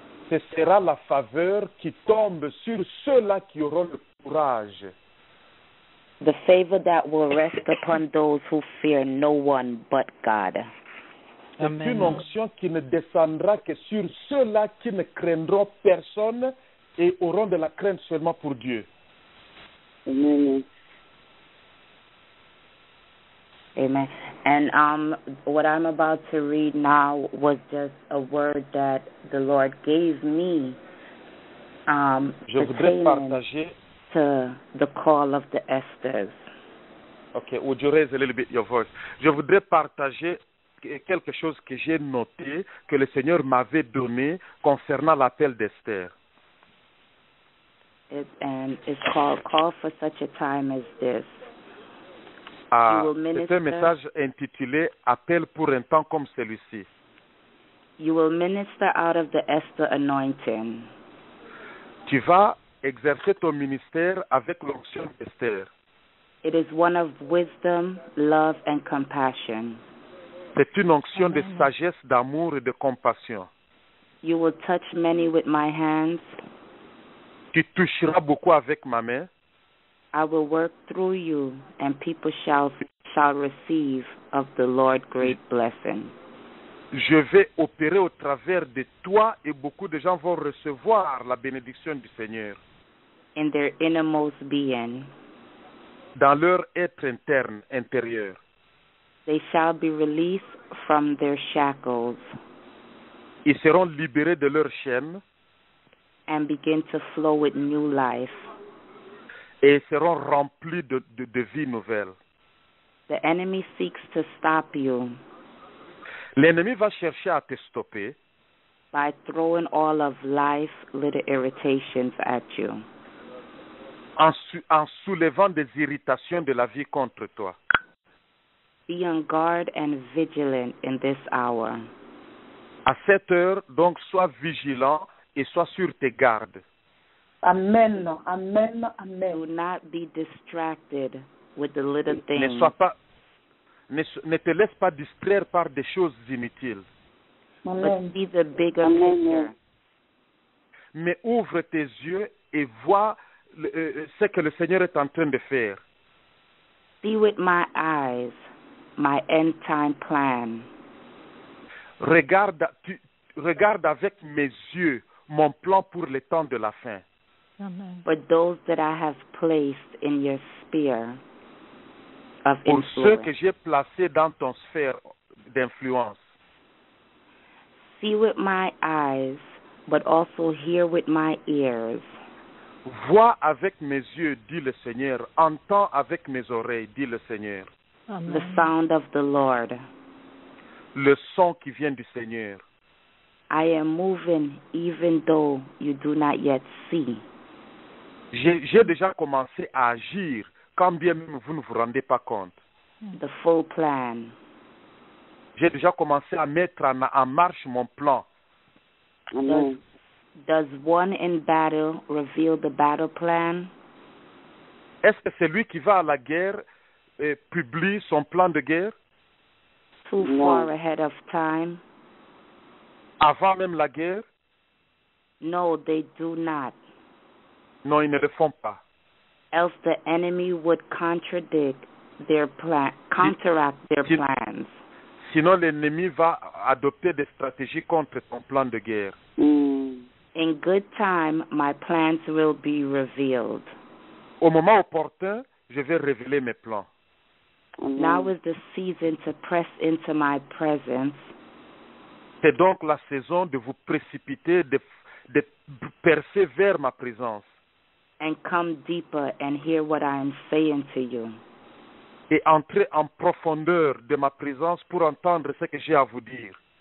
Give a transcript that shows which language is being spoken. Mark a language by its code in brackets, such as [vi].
[fr] Ce sera la faveur qui tombe sur ceux-là qui auront le courage. [en] The favor that will rest upon those who fear no one but God. [fr] C'est une onction qui ne descendra que sur ceux-là qui ne craindront personne et auront de la crainte seulement pour Dieu. Amen. Amen. [en] And what I'm about to read now was just a word that the Lord gave me [fr] je voudrais partager [en] to the call of the Esthers. Okay, would you raise a little bit your voice? [fr] Je voudrais partager quelque chose que j'ai noté que le Seigneur m'avait donné concernant l'appel d'Esther. [en] It's called Call for Such a Time as This. [fr] C'est un message intitulé Appel pour un temps comme celui-ci. [en] You will minister out of the Esther anointing. [fr] Tu vas exercer ton ministère avec l'onction d'Esther. [en] It is one of wisdom, love and compassion. [fr] C'est une onction de sagesse, d'amour et de compassion. [en] You will touch many with my hands. [fr] Tu toucheras beaucoup avec ma main. [en] I will work through you and people shall receive of the Lord great blessing. [fr] Je vais opérer au travers de toi et beaucoup de gens vont recevoir la bénédiction du Seigneur. [en] In their innermost being. [fr] Dans leur être interne, intérieur. [en] They shall be released from their shackles. [fr] Ils seront libérés de leurs chaînes. [en] And begin to flow with new life. [fr] Et seront remplis de vie nouvelle. [en] The enemy seeks to stop you. [fr] L'ennemi va chercher à te stopper. [en] By throwing all of life's little irritations at you. [fr] En soulevant des irritations de la vie contre toi. [en] Be on guard and vigilant in this hour. [fr] À cette heure, donc, sois vigilant et sois sur tes gardes. Amen, amen, amen. [en] Do not be distracted with the little things. [fr] Ne te laisse pas distraire par des choses inutiles. [en] Amen. But see the bigger picture. [fr] Mais ouvre tes yeux et vois ce que le Seigneur est en train de faire. [en] See with my eyes my end time plan. [fr] Regarde avec mes yeux mon plan pour les temps de la fin. [en] But those that I have placed in your sphere of [fr] pour [en] influence. [fr] Ceux que j'ai placés dans ton sphère d'influence. [en] See with my eyes, but also hear with my ears. [fr] Vois avec mes yeux, dit le Seigneur. Entends avec mes oreilles, dit le Seigneur. [en] Amen. The sound of the Lord. [fr] Le son qui vient du Seigneur. [en] I am moving even though you do not yet see. [fr] J'ai déjà commencé à agir, quand bien même vous ne vous rendez pas compte. [en] The full plan. [fr] J'ai déjà commencé à mettre en marche mon plan. [en] Does one in battle reveal the battle plan? [fr] Est-ce que celui qui va à la guerre publie son plan de guerre? [en] Too far ahead of time. [fr] Avant même la guerre? [en] No, they do not. [fr] Non, ils ne le font pas. [en] Else the enemy would contradict their plan, counteract their plans. [fr] Sinon, l'ennemi va adopter des stratégies contre ton plan de guerre. [en] In good time, my plans will be revealed. [fr] Au moment opportun, je vais révéler mes plans. [en] Now is the season to press into my presence. [fr] C'est donc la saison de vous précipiter, de percer vers ma présence. [en] And come deeper and hear what I am saying to you. [fr] Et entrer en profondeur de ma présence pour entendre ce que j'ai à vous dire.